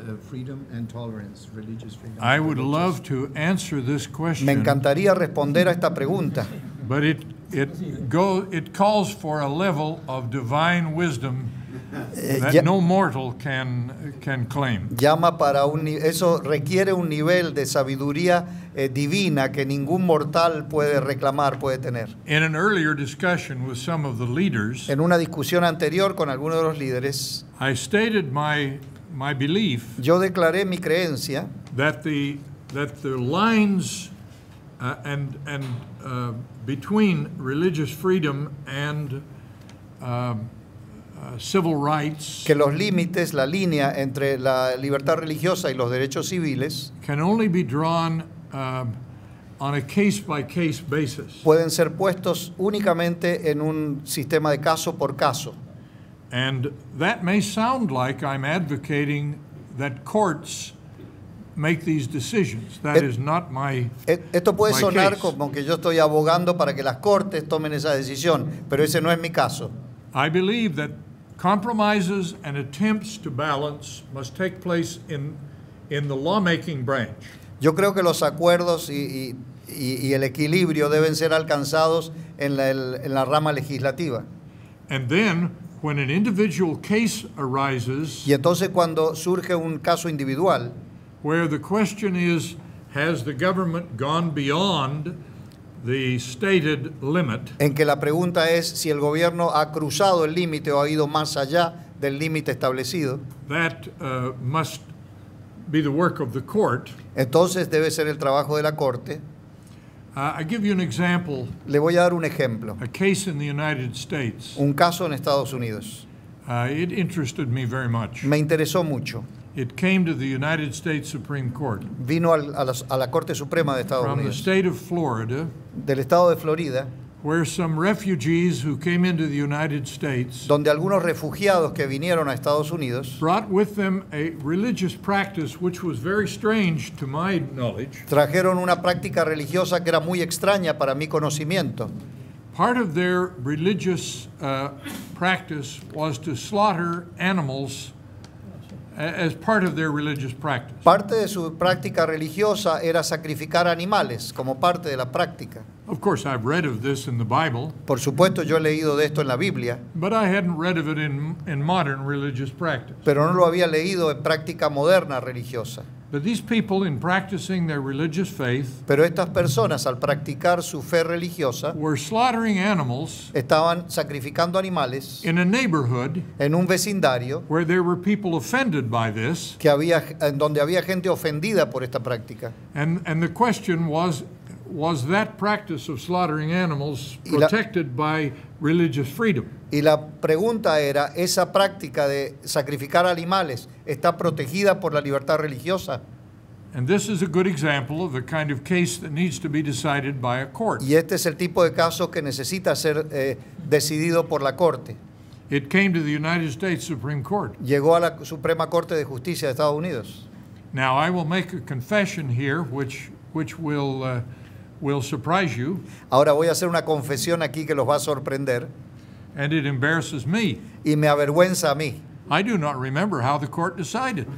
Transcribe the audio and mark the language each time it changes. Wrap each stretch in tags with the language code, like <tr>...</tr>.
<en>Freedom and tolerance, religious freedom. I would love to answer this question.</en> <es>Me encantaría responder a esta pregunta.</es> <en>But it calls for a level of divine wisdom that no mortal can claim.</en> <es>Llama para un, eso requiere un nivel de sabiduría divina que ningún mortal puede reclamar, puede tener.</es> <en>In an earlier discussion with some of the leaders,</en> <es>en una discusión anterior con algunos de los líderes,</es> <en>I stated my belief,</en> <es>yo declaré mi creencia,</es> <en>that the lines and between religious freedom and civil rights,</en> <es>que los límites, la línea entre la libertad religiosa y los derechos civiles,</es> <en>can only be drawn on a case by case basis.</en> <es>Pueden ser puestos únicamente en un sistema de caso por caso.</es> <en>And that may sound like I'm advocating that courts make these decisions. That is not my</en> <es>Esto puede sonar como que yo estoy abogando para que las cortes tomen esa decisión, pero ese no es mi caso.</es> <en>I believe that compromises and attempts to balance must take place in the lawmaking branch.</en> <es>Yo creo que los acuerdos y el equilibrio deben ser alcanzados en la rama legislativa.</es> <en>And then when an individual case arises,</en> <es>y entonces cuando surge un caso individual,</es> <en>where the question is, has the government gone beyond the stated limit?</en> <es>En que la pregunta es si el gobierno ha cruzado el límite o ha ido más allá del límite establecido.</es> <en>That must be the work of the court.</en> <es>Entonces debe ser el trabajo de la corte.</es> <en>I give you an example.</en> <es>Le voy a dar un ejemplo.</es> <en>A case in the United States.</en> <es>Un caso en Estados Unidos.</es> <en>It interested me very much.</en> <es>Me interesó mucho.</es> <en>It came to the United States Supreme Court.</en> <es>Vino a la Corte Suprema de Estados Unidos.</es> <en>From the state of Florida.</en> <es>Del estado de Florida.</es> <en>Where some refugees who came into the United States.</en> <es>Donde algunos refugiados que vinieron a Estados Unidos.</es> <en>Brought with them a religious practice which was very strange to my knowledge.</en> <es>Trajeron una práctica religiosa que era muy extraña para mi conocimiento.</es> <en>Part of their religious practice was to slaughter animals. As part of their religious practice.</en> <es>Parte de su práctica religiosa era sacrificar animales como parte de la práctica.</es> <en>Of course, I've read of this in the Bible.</en> <es>Por supuesto, yo he leído de esto en la Biblia.</es> <en>But I hadn't read of it in modern religious practice.</en> <es>Pero no lo había leído en práctica moderna religiosa.</es> <en>But these people, in practicing their religious faith,</en> <es>pero estas personas, al practicar su fe religiosa,</es> <en>were slaughtering animals,</en> <es>estaban sacrificando animales,</es> <en>in a neighborhood,</en> <es>en un vecindario,</es> <en>where there were people offended by this,</en> <es>que había, en donde había gente ofendida por esta práctica,</es> <en>and the question was that practice of slaughtering animals protected by religious freedom?</en> <es>Y la pregunta era, ¿esa práctica de sacrificar animales está protegida por la libertad religiosa?</es> <en>And this is a good example of the kind of case that needs to be decided by a court.</en> <es>Y este es el tipo de caso que necesita ser decidido por la corte.</es> <en>It came to the United States Supreme Court.</en> <es>Llegó a la Suprema Corte de Justicia de Estados Unidos.</es> <en>Now I will make a confession here which will surprise you.</en> <es>Ahora voy a hacer una confesión aquí que los va a sorprender.</es> <en>And it embarrasses me.</en> <es>Y me avergüenza a mí.</es> <en>I do not remember how the court decided.</en>